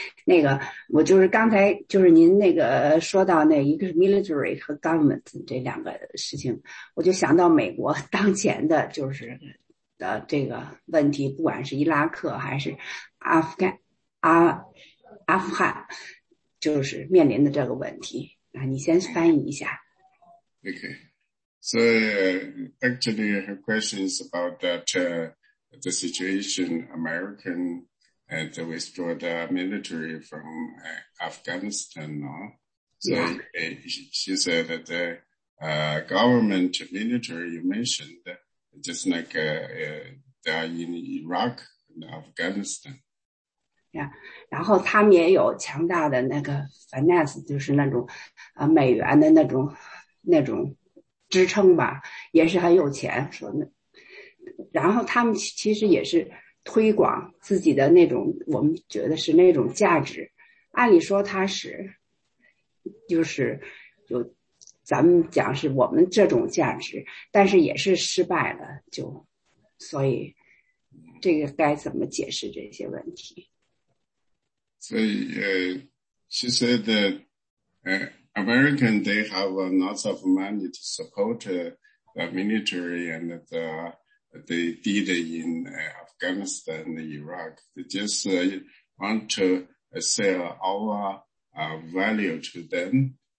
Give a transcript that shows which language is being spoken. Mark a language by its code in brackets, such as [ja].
[zh] 那个，我就是刚才就是您那个说到那一个是 military 和 government 这两个事情，我就想到美国当前的就是。的这个问题，不管是伊拉克还是阿富汗，就是面临的这个问题啊，你先翻译一下。 [en] Okay, so actually, her question is about that the situation American and withdraw the military from Afghanistan now. So、 yeah. she said that the government military you mentioned. Just like they are in Iraq and Afghanistan. [zh] Yeah, 然后他们也有强大的那个 finance, 就是那种美元的那种支撑吧，也是很有钱。说那，然后他们其实也是推广自己的那种，我们觉得是那种价值。按理说他是，就是有。咱们讲是我们这种价值，但是也是失败了，就所以这个该怎么解释这些问题？所以 [en] she said that American they have lots of money to support the military and they did in Afghanistan, Iraq. They just want to sell our value to them.